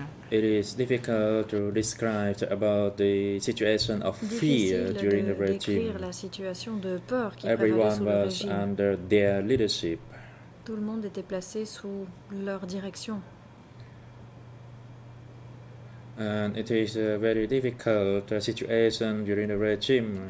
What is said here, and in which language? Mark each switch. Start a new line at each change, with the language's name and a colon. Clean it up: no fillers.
English: It is difficult to describe about the situation of fear during the regime.
French: La situation de peur qui
English: Everyone was
French: régime.
English: Under their leadership.
French: Tout le monde était placé sous leur direction.
English: And it is a very difficult situation during the regime.